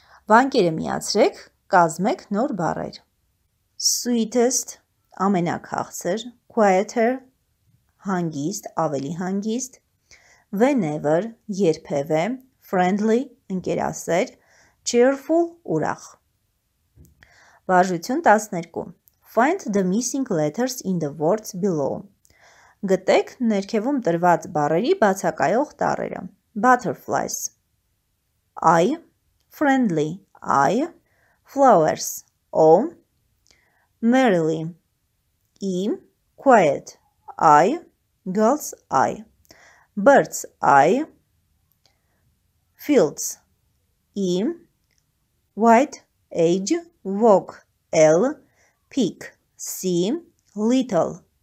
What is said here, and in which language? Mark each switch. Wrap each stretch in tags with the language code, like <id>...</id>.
<hy>Վանկերը միացրեք, կազմեք նոր բառեր։ Sweetest, ամենակարծեր, quieter, հանգիստ, ավելի հանգիստ, whenever, երբևէ, friendly, ընկերասեր, cheerful, ուրախ։ Վարժություն 12.</hy> <en>Find the missing letters in the words below.</en> <hy>Գտեք ներքևում տրված բառերի բացակայող տառերը։ Butterflies.</hy> <en>I. Friendly. I. Flowers. O. Merrily. E. Quiet. I. Girls. I. Birds. I. Fields. E. White. Age. Walk. L. Pick. C. Little.</en>